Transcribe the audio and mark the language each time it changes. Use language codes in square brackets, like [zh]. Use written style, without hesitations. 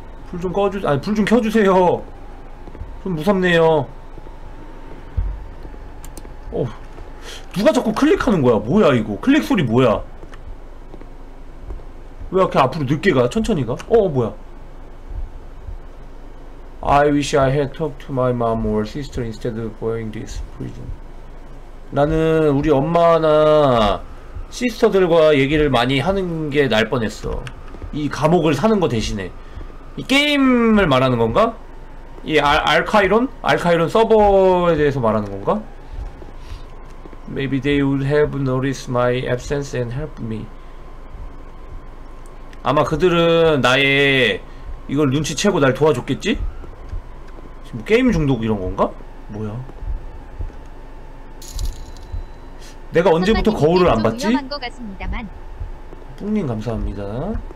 [ko] 불 좀 꺼주.. 아니 불 좀 켜주세요. 좀 무섭네요. 어, 누가 자꾸 클릭하는 거야. 뭐야 이거. 클릭 소리 뭐야. 왜 이렇게 앞으로 늦게 가? 천천히 가? 어, 뭐야? [en] I wish I had talked to my mom or sister instead of going this prison. [ko] 나는 우리 엄마나 시스터들과 얘기를 많이 하는 게 나을 뻔했어. 이 감옥을 사는 거 대신에. 이 게임을 말하는 건가? 이 알카이론? 알카이론 서버에 대해서 말하는 건가? [en] Maybe they would have noticed my absence and helped me. [ko] 아마 그들은 나의 이걸 눈치채고 날 도와줬겠지? 지금 게임 중독 이런 건가? 뭐야? 내가 언제부터 거울을 안 봤지? 뿡님 감사합니다.